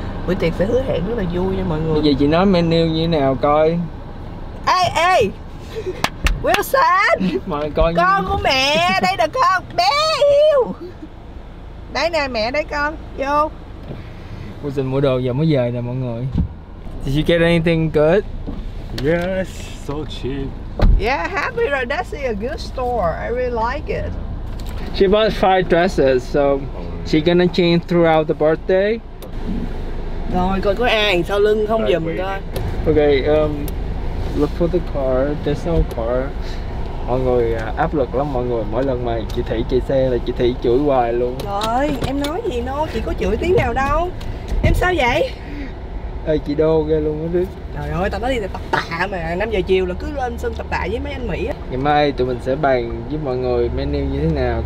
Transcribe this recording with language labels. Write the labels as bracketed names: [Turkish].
[Vietnamese] Buổi tiệc sẽ hứa hẹn rất là vui nha mọi người. Bây giờ chị nói menu như thế nào coi. Ê ê Wilson. Mời coi. Con của mẹ đây được không? Bé yêu. Đây nè mẹ đây con. Vô. Wilson mua đồ giờ mới về nè mọi người. [English] Did you get anything good? Yes, so cheap. Yeah, happy that that's a good store. I really like it. She bought 5 dresses, so she gonna change throughout the birthday. [Vietnamese] Rồi, coi có ai sau lưng không giùm coi. [English] Okay, look for the car, there's no car. [Vietnamese] Mọi người áp lực lắm mọi người, mỗi lần mà chị Thủy chạy xe là chị Thủy chửi hoài luôn. Trời ơi, em nói gì nó, chị có chửi tiếng nào đâu. Em sao vậy? Ê, chị đô ghê luôn á đứa. Trời ơi, tao nói đi tập tạ mà, 5 giờ chiều là cứ lên sân tập tạ với mấy anh Mỹ á. Ngày mai tụi mình sẽ bàn với mọi người menu như thế nào.